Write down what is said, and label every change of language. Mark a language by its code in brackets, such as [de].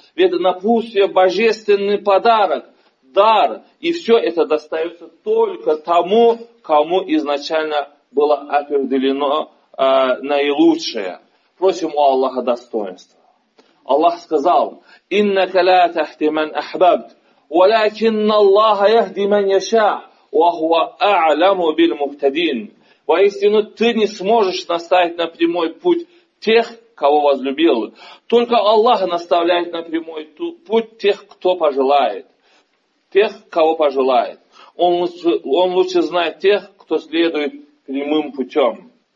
[ru] Ведь напутствие – божественный подарок, дар, и все это достается только тому, кому изначально было определено наилучшее. Просим у Аллаха достоинства. Аллах сказал: [ar] «Иннака ла тахди ман ахбабт». ولكن الله يهدي من يشاء وهو أعلم بالمهتدين. [ru] Воистину, ты не сможешь наставить на прямой путь тех, кого возлюбил. Только Аллах наставляет на прямой путь тех, кто пожелает, тех, кого пожелает. Он лучше знает тех, кто следует прямым путем.